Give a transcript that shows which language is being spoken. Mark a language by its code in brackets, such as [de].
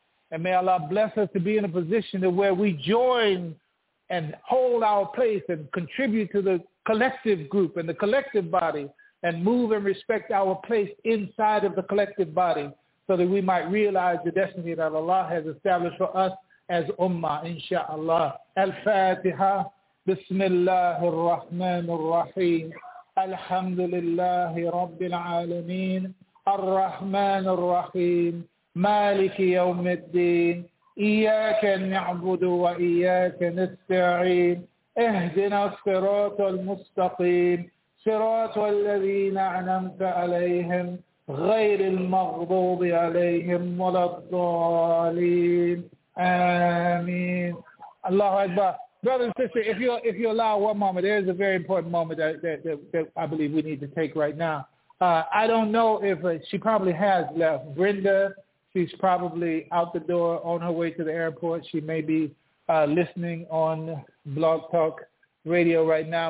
[en] And may Allah bless us to be in a position to where we join and hold our place and contribute to the collective group and the collective body and move and respect our place inside of the collective body so that we might realize the destiny that Allah has established for us as Ummah, inshallah. Al-Fatiha. [ar] بسم الله الرحمن الرحيم الحمد لله رب العالمين الرحمن الرحيم مالك يوم الدين إياك نعبد وإياك نستعين اهدنا الصراط المستقيم صراط الذين أنعمت عليهم غير المغضوب عليهم ولا الضالين آمين الله أكبر. [en] Brother and sister, if you allow one moment, there is a very important moment that I believe we need to take right now. I don't know if she probably has left. Brenda, she's probably out the door on her way to the airport. She may be listening on Blog Talk Radio right now.